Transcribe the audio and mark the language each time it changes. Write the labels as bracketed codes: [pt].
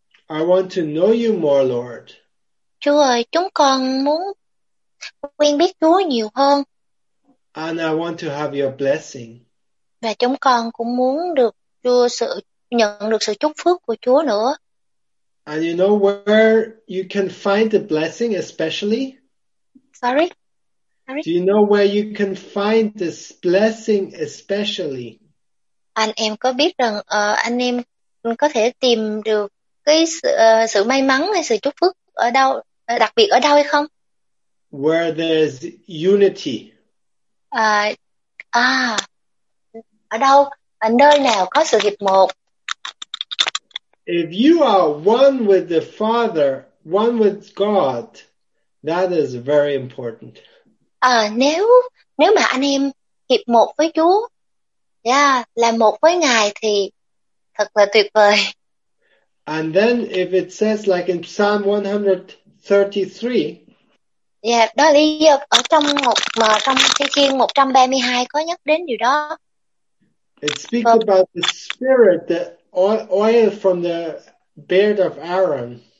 [en] I want to know you more, Lord. [vi] Chúa ơi, chúng con muốn quen biết Chúa nhiều hơn. [en] And I want to have your blessing. [vi] Và chúng con cũng muốn được Chúa sự nhận được sự chúc phước của Chúa nữa. [en] And you know where you can find the blessing especially? Sorry. Do you know where you can find this blessing especially? [vi] Anh em có biết rằng anh em có thể tìm được cái sự may mắn hay sự chúc phước ở đâu, đặc biệt ở đâu hay không? [en] Where there's unity. [vi] Ở đâu, ở nơi nào có sự hiệp một. [en] If you are one with the Father, one with God, that is very important. [vi] Nếu mà anh em hiệp một với Chúa, là một với Ngài thì thật là tuyệt vời. [en] And then if it says like in Psalm 133. [vi] Yeah, đó là lý do ở trong Thi Thiên 132 có nhắc đến điều đó. [en] It speaks about the spirit, the oil from the beard of Aaron.